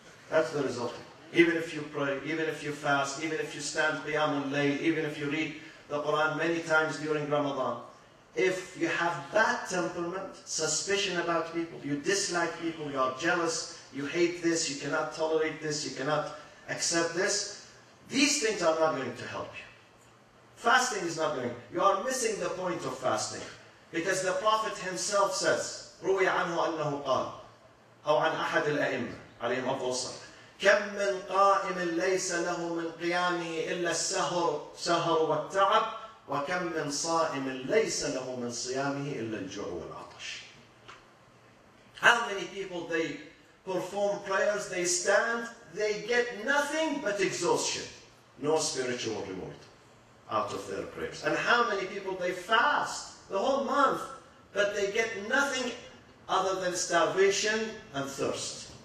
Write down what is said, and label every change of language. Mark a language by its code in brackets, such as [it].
[en] That's the result. Even if you pray, even if you fast, even if you stand Qiyam al-Layl, even if you read the Quran many times during Ramadan, if you have bad temperament, suspicion about people, you dislike people, you are jealous, you hate this, you cannot tolerate this, you cannot accept this, these things are not going to help you. Fasting is not going to help you. You are missing the point of fasting. Because the Prophet himself says, [ar] رُوِيَ عَنْهُ أَنَّهُ قَالَ أَوْ عَنْ أَحَدِ الْأَئِمَّةِ عَلَيْهِمْ أَفْضَلُ كَمْ مِنْ قَائِمٍ لَيْسَ لَهُ مِنْ قِيَامِهِ إِلَّا السَّهَرُ وَالتَّعَبُ وَكَمْ مِنْ صَائِمٍ لَيْسَ لَهُ مِنْ صِيَامِهِ إِلَّا الْجُوعُ وَالْعَطَشُ. [en] How many people, they perform prayers, they stand, they get nothing but exhaustion, no spiritual reward out of their prayers. And how many people, they fast the whole month, but they get nothing other than starvation and thirst.